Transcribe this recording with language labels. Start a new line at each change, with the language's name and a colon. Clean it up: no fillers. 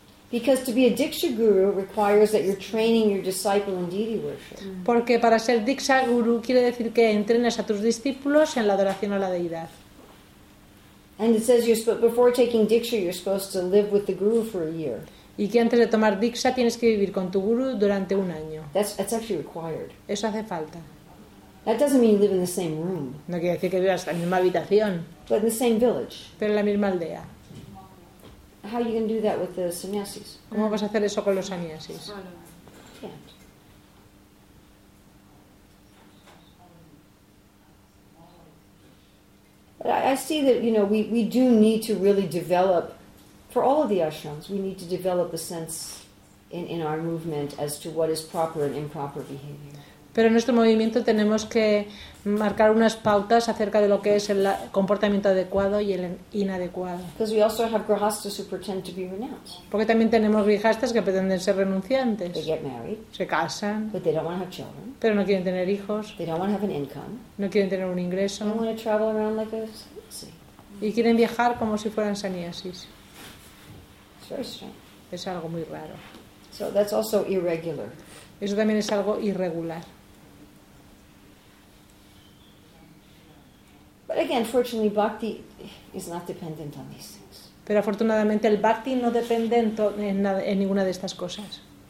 English: Because to be a diksha guru requires that you're training your disciple in deity worship.
Spanish: Porque para ser diksha guru quiere decir que entrenas a tus discípulos en la adoración a la deidad.
English: And it says before taking diksha you're supposed to live with the guru for a year.
Spanish: Y que antes de tomar diksha tienes que vivir con tu guru durante un año.
English: That's actually required.
Spanish: Eso hace falta.
English: That doesn't mean you live in the same room.
Spanish: No quiere decir que vivas en la misma habitación.
English: But in the same village.
Spanish: Pero en la misma aldea.
English: How are you going to do that with the sannyasis?
Spanish: ¿Cómo vas a hacer eso con los sannyasis?
English: But I see that, you know, we do need to really develop. For all of the ashrams, we need to develop a sense in our movement as to what is proper and improper behavior.
Spanish: Pero en nuestro movimiento tenemos que marcar unas pautas acerca de lo que es el comportamiento adecuado y el inadecuado.
English: Because we also have grihasthas who pretend to be renounced.
Spanish: Porque también tenemos grihasthas que pretenden ser renunciantes.
English: They get married.
Spanish: Se casan.
English: But they don't want to have children.
Spanish: Pero no quieren tener hijos.
English: They don't want to have an income.
Spanish: No quieren tener un ingreso.
English: They want to travel around like a sannyasi.
Spanish: Y quieren viajar como si fueran sannyasis. Es algo muy raro.
English: So that's also irregular.
Spanish: Eso también es algo irregular.
English: But again, fortunately, bhakti is not dependent on these things.
Spanish: Pero afortunadamente el bhakti no depende en ninguna de estas cosas.